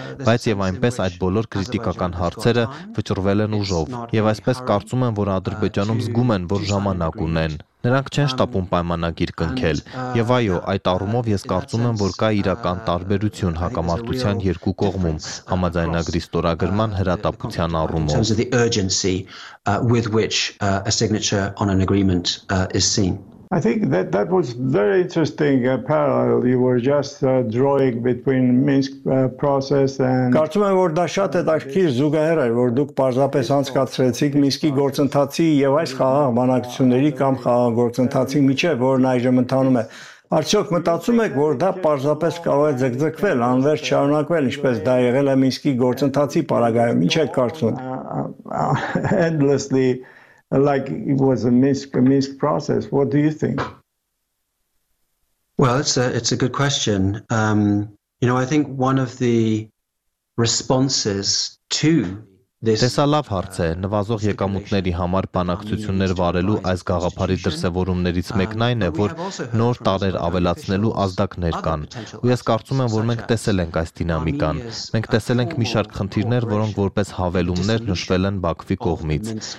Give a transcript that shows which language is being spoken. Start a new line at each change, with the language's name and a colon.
Armenian: Բայց եւ այնպես այդ բոլոր քրիտիկական հարցերը վճռվել են ուժով, եւ այսպես կարծում եմ, որ Ադրբեջանում զգում են, որ ժամանակ ունեն։ Նրանք չեն շտապում պայմանագիր կնքել։ Եվ այո, այդ առումով ես կարծում եմ, որ կա իրական տարբերություն հակամարտության երկու կողմում համաձայնագրի ստորագրման հրատապության առումով։
English: There's the urgency with which a signature on an agreement is seen. I think that was very interesting parallel you were just drawing between Minsk process and
Armenian: Կարծում եմ, որ դա շատ հետաքրքիր զուգահեռ է, որ դուք պարզապես անցկացրեցիք Մինսկի գործընթացի եւ այս խաղաղ բանակցությունների կամ խաղաղ գործընթացի միջեւ, որն այժմ ընթանում է։ Արդյոք մտածում եք, որ դա պարզապես կարող է ձգձգվել, անվերջ շարունակվել, ինչպես դա եղել է Մինսկի գործընթացի պարագայում, ինչ եք կարծում։
English: Endlessly like it was a Minsk process, what do you think? Well, it's a good question. You know, I think one of the responses to
Armenian: Դեսա լավ հարց է, նվազող եկամուտների համար բանակցություններ վարելու այս գաղափարի դրսևորումներից մեկն այն է, որ նոր տարեր ավելացնելու ազդակներ կան։ Ու ես կարծում եմ, որ մենք տեսել ենք այս դինամիկան։ Մենք տեսել ենք մի շարք խնդիրներ, որոնք որպես հավելումներ նշվել են Բաքվի կողմից։